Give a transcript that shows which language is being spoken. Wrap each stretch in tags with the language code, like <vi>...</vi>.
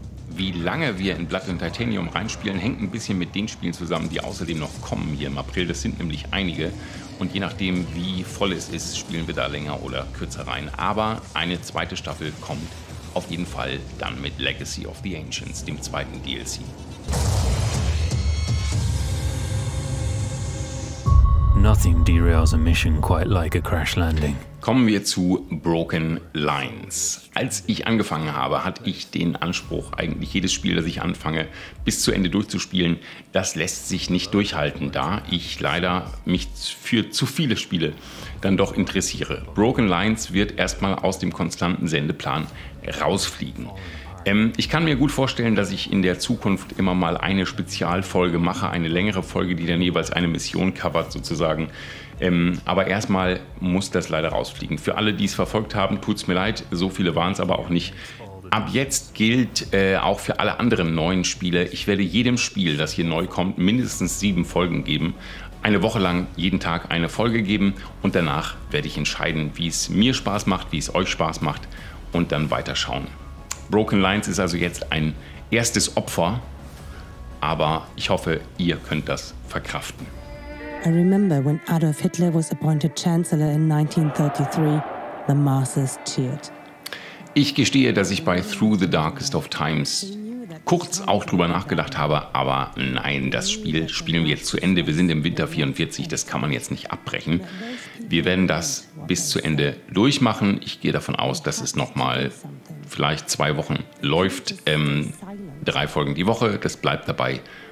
<de>Wie lange wir in Blood and Titanium reinspielen, hängt ein bisschen mit den Spielen zusammen, die außerdem noch kommen hier im April. Das sind nämlich einige. Und je nachdem, wie voll es ist, spielen wir da länger oder kürzer rein. Aber eine zweite Staffel kommt auf jeden Fall dann mit Legacy of the Ancients, dem zweiten DLC.</de> <en>Nothing derails a mission quite like a crash landing.</en> <de>Kommen wir zu Broken Lines. Als ich angefangen habe, hatte ich den Anspruch, eigentlich jedes Spiel, das ich anfange, bis zu Ende durchzuspielen. Das lässt sich nicht durchhalten, da ich leider mich für zu viele Spiele dann doch interessiere. Broken Lines wird erstmal aus dem konstanten Sendeplan rausfliegen. Ich kann mir gut vorstellen, dass ich in der Zukunft immer mal eine Spezialfolge mache, eine längere Folge, die dann jeweils eine Mission covert sozusagen. Aber erstmal muss das leider rausfliegen. Für alle, die es verfolgt haben, tut's mir leid, so viele waren es aber auch nicht. Ab jetzt gilt auch für alle anderen neuen Spiele, ich werde jedem Spiel, das hier neu kommt, mindestens 7 Folgen geben. Eine Woche lang jeden Tag eine Folge geben und danach werde ich entscheiden, wie es mir Spaß macht, wie es euch Spaß macht und dann weiterschauen. Broken Lines ist also jetzt ein erstes Opfer, aber ich hoffe, ihr könnt das verkraften.</de> <en>I remember when Adolf Hitler was appointed Chancellor in 1933, the masses cheered.</en> <de>Ich gestehe, dass ich bei Through the Darkest of Times kurz auch drüber nachgedacht habe, aber nein, das Spiel spielen wir jetzt zu Ende. Wir sind im Winter 44, das kann man jetzt nicht abbrechen. Wir werden das bis zu Ende durchmachen. Ich gehe davon aus, dass es nochmal vielleicht 2 Wochen läuft, 3 Folgen die Woche, das bleibt dabei.</de>